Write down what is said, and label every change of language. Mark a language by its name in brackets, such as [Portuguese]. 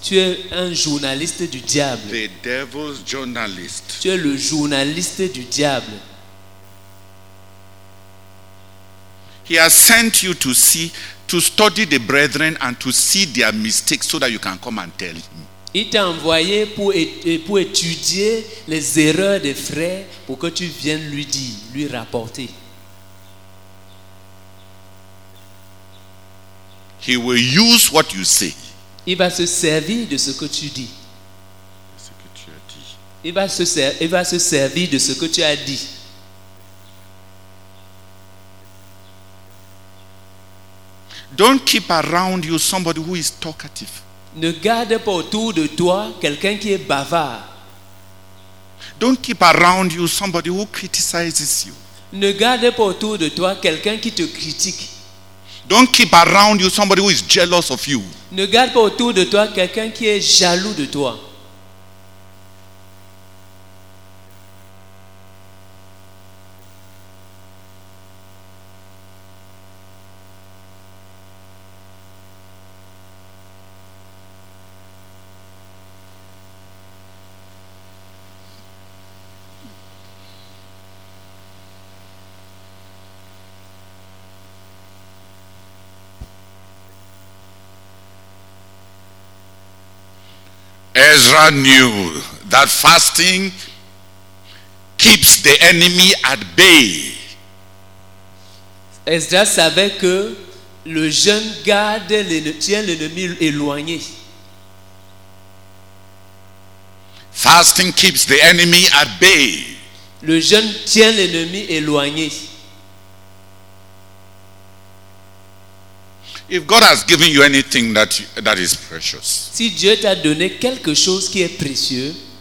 [French] Tu es un journaliste du diable. [English] The devil's journalist. [French] Tu es le journaliste du diable. [English] He has sent you to see, to study the brethren and to see their mistakes so that you can come and tell him. [French] Il t'a envoyé pour étudier les erreurs des frères pour que tu viennes lui dire, lui rapporter. [English] He will use what you say. [French] Il va se servir de ce que tu dis. Ce que tu as dit. Il va se servir de ce que tu as dit. [English] Don't keep around you somebody who is talkative. [French] Ne garde pas autour de toi quelqu'un qui est bavard. [English] Don't keep around you somebody who criticizes you. [French] Ne garde pas autour de toi quelqu'un qui te critique. [English] Don't keep around you somebody who is jealous of you. [French] Ne garde pas autour de toi quelqu'un qui est jaloux de toi. [English] Ezra knew that fasting keeps the enemy at bay. [French] Ezra savait que le jeûne garde tient l'ennemi éloigné. [English] Fasting keeps the enemy at bay. [French] Le jeûne tient l'ennemi éloigné. [English] If God has given you anything that is precious. [French] Si Dieu t'a donné quelque chose qui est précieux.